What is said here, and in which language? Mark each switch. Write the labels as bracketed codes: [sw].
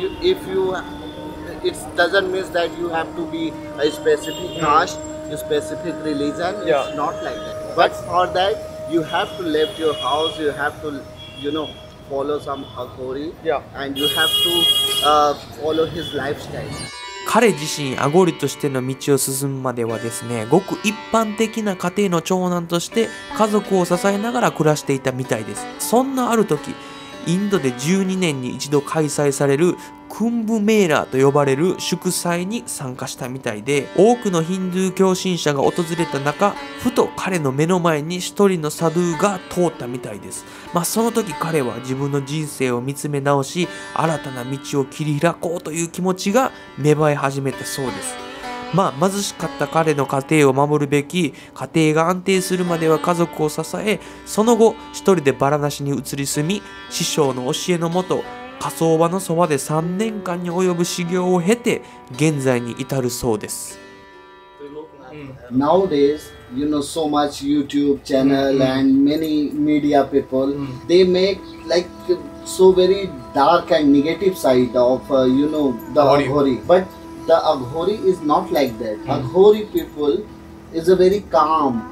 [en] You, if you, it doesn't mean that you have to be a specific caste, a specific religion. Yeah. It's not like that. But for that, you have to leave your house. You have to, you know, follow some aghori. Yeah. And you have to follow his lifestyle. [ja] 彼自身アゴリとしての道を進むまではですね、ごく一般的な家庭の長男として家族を支えながら暮らしていたみたいです。そんなある時、インドで12年に一度開催されるクンブメーラと呼ばれる祝祭に参加したみたいで、多くのヒンドゥー教信者が訪れた中、ふと彼の目の前に一人のサドゥーが通ったみたいです。まあ、その時彼は自分の人生を見つめ直し、新たな道を切り開こうという気持ちが芽生え始めたそうです。まあ、貧しかった彼の家庭を守るべき、家庭が安定するまでは家族を支え、その後一人でバラナシに移り住み、師匠の教えのもと火葬場のそばで3年間に及ぶ修行を経て現在に至るそうです。 [en] Nowadays, you know, so much YouTube channel and many media people, they make like so very dark and negative side of, you know, the Aghori. But the Aghori is not like that. Aghori people is a very calm.